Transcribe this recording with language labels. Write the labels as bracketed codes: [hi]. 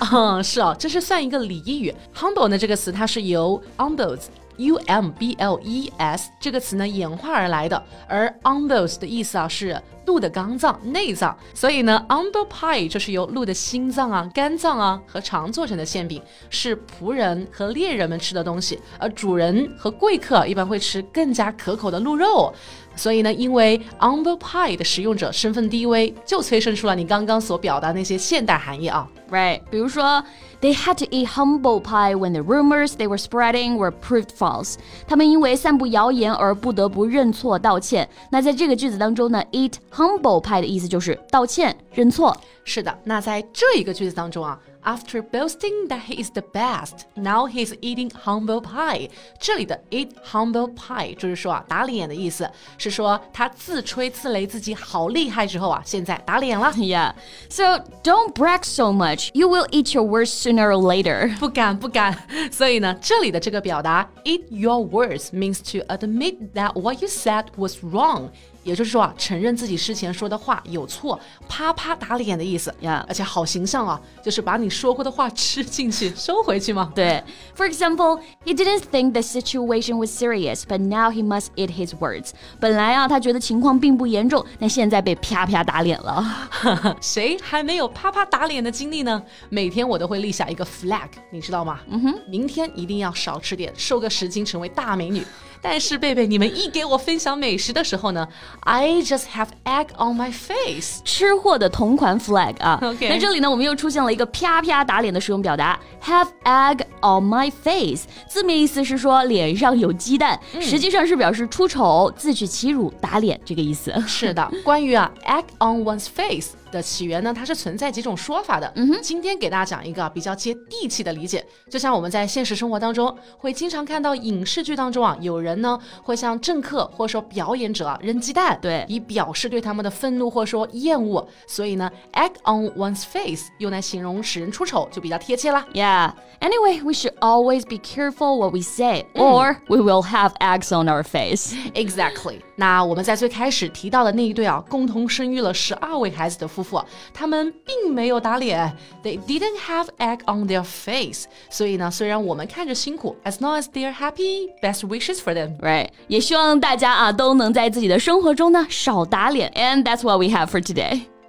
[zh] 嗯，是哦，这是算一个礼仪语。Humble 呢，这个词它是由 humble,U-M-B-L-E-S 这个词呢演化而来的，而 humbles 的意思啊是鹿的肝脏、内脏，所以呢 humble pie 就是由鹿的心脏啊、肝脏啊和肠做成的馅饼，是仆人和猎人们吃的东西，而主人和贵客一般会吃更加可口的鹿肉。所以呢，因为 humble pie 的使用者身份低微，就催生出了你刚刚所表达的那些现代含义啊。 [en] Right, [zh] 比如说 [en] They had to eat humble pie when the rumors they were spreading were proved false. [zh] 他们因为散布谣言而不得不认错道歉。那在这个句子当中呢 eat humble 派的意思就是道歉、认错。是的，那在这一个句子当中啊 [en] After boasting that he is the best, now he's eating humble pie. [zh] 这里的 eat humble pie 就是说、啊、打脸的意思，是说他自吹自擂自己好厉害之后啊，现在打脸了。 [en] Yeah, so don't brag so much. You will eat your words sooner or later. [zh] 不敢不敢。所以呢，这里的这个表达 [en] eat your words means to admit that what you said was wrong. [zh] 也就是说、啊、承认自己之前说的话有错啪啪打脸的意思、 [en] yeah. [zh] 而且好形象啊就是把你说过的话吃进去收回去嘛 [en] 对 For example, he didn't think the situation was serious but now he must eat his words [zh] 本来啊他觉得情况并不严重但现在被啪啪打脸了谁还没有啪啪打脸的经历呢每天我都会立下一个 flag 你知道吗、 mm-hmm. 明天一定要少吃点瘦个十斤成为大美女但是贝贝你们一给我分享美食的时候呢 [en] I just have egg on my face [zh] 吃货的同款 flag 啊、 [en] okay. [zh] 那这里呢我们又出现了一个啪啪打脸的使用表达 [en] Have egg on my face [zh] 字面意思是说脸上有鸡蛋、嗯、实际上是表示出丑自取其辱打脸这个意思是的关于啊 egg on one's face的起源呢它是存在几种说法的、嗯、哼今天给大家讲一个比较接地气的理解就像我们在现实生活当中会经常看到影视剧当中啊有人呢会向政客或者说表演者、啊、扔鸡蛋对以表示对他们的愤怒或者说厌恶所以呢 egg on one's face 用来形容使人出丑就比较贴切了 [en] Yeah Anyway we should always be careful what we say、嗯、or we will have eggs on our face [zh] Exactly 那我们在最开始提到的那一对啊共同生育了12位孩子的夫妇他们并没有打脸 [en] They didn't have egg on their face [zh] 所以呢虽然我们看着辛苦 [en] As long as they're happy Best wishes for them [zh] Right 也希望大家啊都能在自己的生活中呢少打脸 [en] And that's what we have for today